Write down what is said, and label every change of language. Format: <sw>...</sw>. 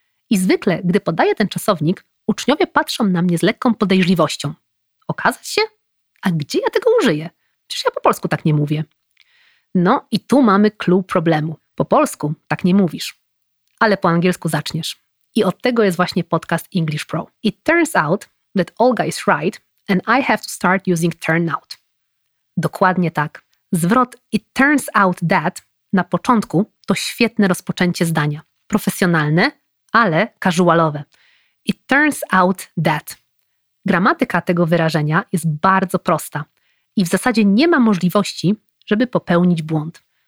<pl>I zwykle, gdy podaję ten czasownik, uczniowie patrzą na mnie z lekką podejrzliwością. Okazać się? A gdzie ja tego użyję? Przecież ja po polsku tak nie mówię. No i tu mamy clue problemu. Po polsku tak nie mówisz. Ale po angielsku zaczniesz. I od tego jest właśnie podcast English Pro.</pl> <en>It turns out that Olga is right and I have to start using turn out.</en> <pl>Dokładnie tak. Zwrot</pl> <en>it turns out that</en> <pl>na początku to świetne rozpoczęcie zdania. Profesjonalne, ale casualowe.</pl> <en>It turns out that.</en> <pl>Gramatyka tego wyrażenia jest bardzo prosta i w zasadzie nie ma możliwości, żeby popełnić błąd.</pl>